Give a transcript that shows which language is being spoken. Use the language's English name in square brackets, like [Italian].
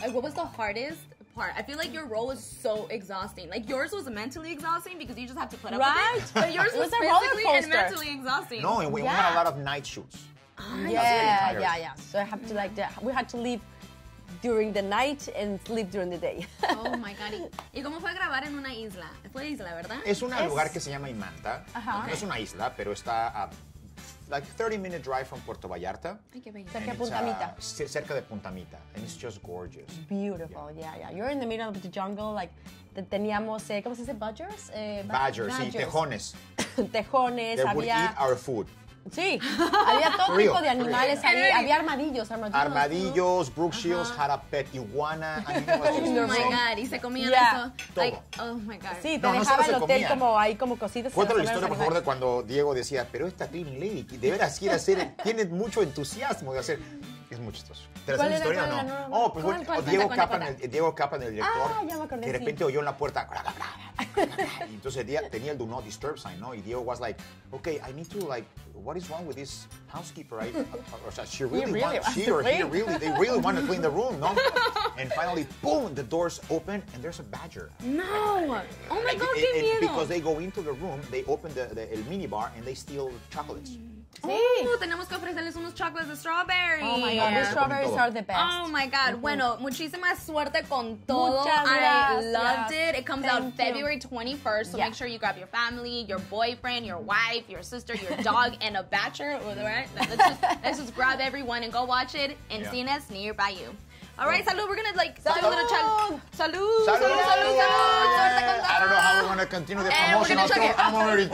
[English] Like, what was the hardest part? I feel like your role is so exhausting. Like, yours was mentally exhausting because you just have to put up with it. But yours was physically and mentally exhausting. No, and we had a lot of night shoots. Yeah. So I have to, like, we had to leave during the night and sleep during the day. Oh my God. [Spanish] ¿Y cómo fue grabar en una isla? Fue isla, ¿verdad? Es un lugar que se llama Imanta. Uh-huh. Okay. No es una isla, pero está a [English] like 30-minute drive from Puerto Vallarta. [Spanish] Cerca de Punta Mita. Cerca de Punta Mita. [English] And it's just gorgeous. Beautiful, yeah. You're in the middle of the jungle, like, [Spanish] teníamos, ¿cómo se dice? [English] Badgers? [Spanish] Badgers, sí, tejones. Tejones, [English] they would eat our food. [Spanish] Sí, había todo tipo de animales. Había armadillos. [English] Armadillos, brook shields, had a pet iguana. Oh, my God. [Spanish] Y se comían eso. Todo. [English] Oh, my God. [Spanish] Sí, te dejaba el hotel como ahí, como cositas. Cuéntale la historia, por favor, de cuando Diego decía, pero esta clean lady, de veras quiere hacer, tiene mucho entusiasmo de hacer. Es muy chistoso. ¿Te la sabes la historia o no? Oh, pues Diego Capan, el director. Ah, ya me acordé, de repente oyó en la puerta. Entonces, tenía el [English] do not disturb sign, ¿no? Y Diego was like, okay, I need to, like, what is wrong with this housekeeper? They really want to clean the room, ¿no? And finally, boom, the doors open, and there's a badger. No! Oh, my God, [Spanish] qué miedo. [English] Because they go into the room, they open the mini bar, and they steal chocolates. [Spanish] Sí. Oh, tenemos que ofrecerles unos chocolates de strawberry. [English] Oh, my God. The strawberries are the best. Oh, my God. Mm-hmm. [Spanish] Bueno, muchísima suerte con todo. Muchas gracias. [English] I loved it. It comes out February 21st, so make sure you grab your family, your boyfriend, your wife, your sister, your dog, and a bachelor. Let's just grab everyone and go watch it in Cines nearby you. All right, salud. We're going to, like, [Spanish] salud. [English] Do a little chug. Salud. I don't know how we're going to continue the promotional tour. I'm already drunk.